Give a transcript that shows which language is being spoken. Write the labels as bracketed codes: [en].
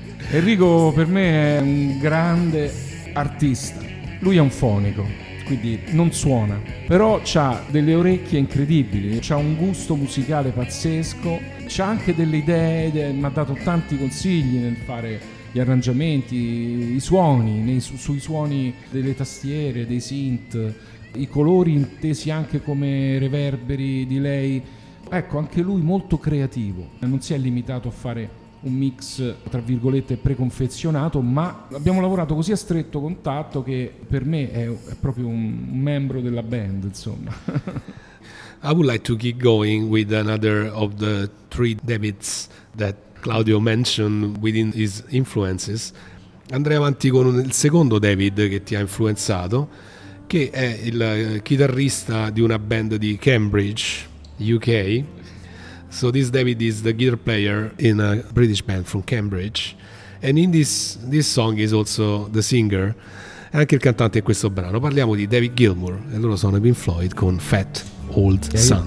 [it] Enrico per me è un grande artista, lui è un fonico, quindi non suona, però c'ha delle orecchie incredibili, c'ha un gusto musicale pazzesco, c'ha anche delle idee, mi ha dato tanti consigli nel fare gli arrangiamenti, i suoni, sui suoni delle tastiere, dei synth, i colori intesi anche come reverberi, delay, ecco, anche lui molto creativo, non si è limitato a fare un mix tra virgolette preconfezionato, ma abbiamo lavorato così a stretto contatto che per me è proprio un membro della band, insomma. [en] I would like to keep going with another of the three debits that Claudio mentioned within his influences. [it] Andrei avanti con il secondo David che ti ha influenzato, che è il chitarrista di una band di Cambridge, UK. [en] So this David is the guitar player in a British band from Cambridge, and in this song is also the singer, [it] anche il cantante in questo brano. Parliamo di David Gilmour, e loro sono Pink Floyd con Fat Old Son.